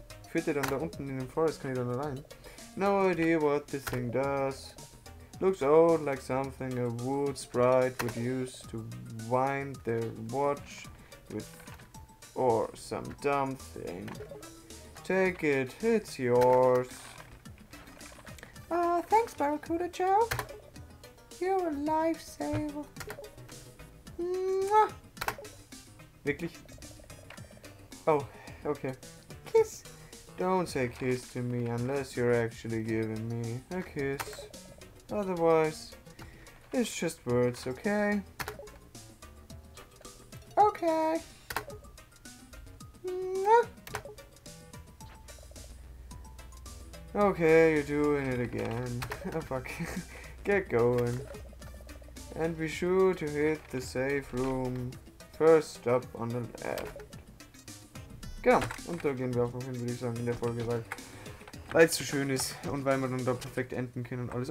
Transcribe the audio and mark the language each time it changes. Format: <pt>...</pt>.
<de>Führt ihr dann da unten in den Forest, kann ich dann rein?</de> <en>No idea what this thing does. Looks old, like something a wood sprite would use to wind their watch. With or some dumb thing. Take it, it's yours. Thanks, Barracuda Joe. You're a lifesaver.</en> <de>Mwah. Wirklich? Oh, okay.</de> <en>Kiss. Don't say kiss to me unless you're actually giving me a kiss. Otherwise, it's just words, okay? Okay. Okay, you're doing it again. Fuck. Get going. And be sure to hit the safe room. First stop on the left.</en> <de>Genau. Und da gehen wir auch noch hin, würde ich sagen, in der Folge, weil es so schön ist. Und weil wir dann da perfekt enden können und alles.</de>